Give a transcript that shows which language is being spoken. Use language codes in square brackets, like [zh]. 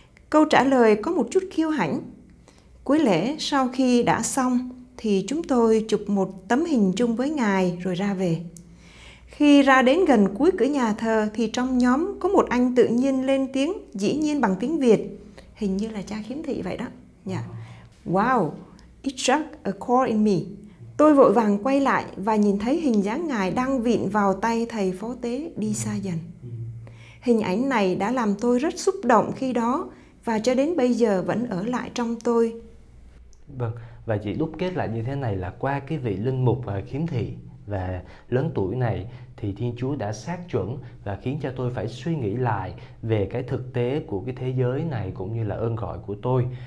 [vi] Câu trả lời có một chút khiêu hãnh. Cuối lễ sau khi đã xong thì chúng tôi chụp một tấm hình chung với ngài rồi ra về. Khi ra đến gần cuối cửa nhà thờ thì trong nhóm có một anh tự nhiên lên tiếng, dĩ nhiên bằng tiếng Việt, hình như là cha khiếm thị vậy đó. [en] Yeah. Wow, it struck a chord in me. [vi] Tôi vội vàng quay lại và nhìn thấy hình dáng ngài đang vịn vào tay thầy phó tế đi xa dần. Hình ảnh này đã làm tôi rất xúc động khi đó và cho đến bây giờ vẫn ở lại trong tôi. Vâng, và chị đúc kết lại như thế này là qua cái vị linh mục khiếm thị và lớn tuổi này thì Thiên Chúa đã xác chuẩn và khiến cho tôi phải suy nghĩ lại về cái thực tế của cái thế giới này cũng như là ơn gọi của tôi.